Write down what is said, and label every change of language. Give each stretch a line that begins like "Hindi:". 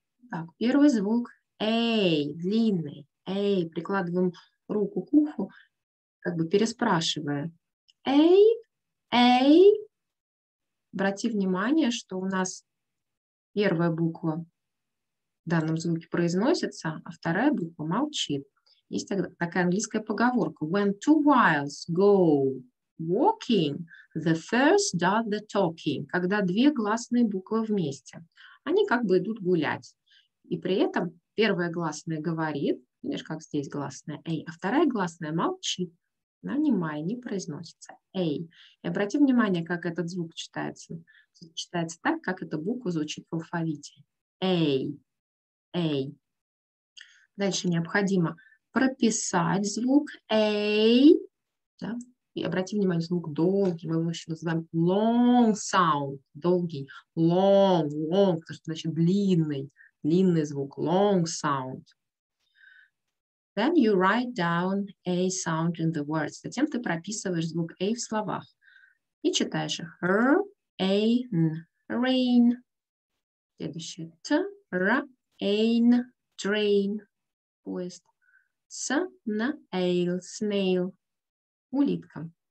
Russian: Так, первый звук A, длинный. A, прикладываем руку к уху, как бы переспрашивая. A, A. Обрати внимание, что у нас первая буква в данном звуке произносится, а вторая буква молчит. Есть такая английская поговорка.
English: When two whales go walking, the first does the talking.
Russian: Когда две гласные буквы вместе, они как бы идут гулять. И при этом первая гласная говорит, видишь, как здесь гласная A, а вторая гласная молчит, она не май, не произносится A. И обрати внимание, как этот звук читается. Читается так, как эта буква звучит в алфавите. A. A. Дальше необходимо прописать звук A. Да? И обрати внимание, звук долгий. Мы его еще называем
English: long sound.
Russian: Долгий.
English: Long, long.
Russian: Потому что значит длинный. Длинный звук.
English: Long sound. Then you write down A sound in the words.
Russian: Затем ты прописываешь звук A в словах. И читаешь. R, A, N, rain. Следующее. T, R, Ain, train, поезд. С, на, эйл, снейл, улитка.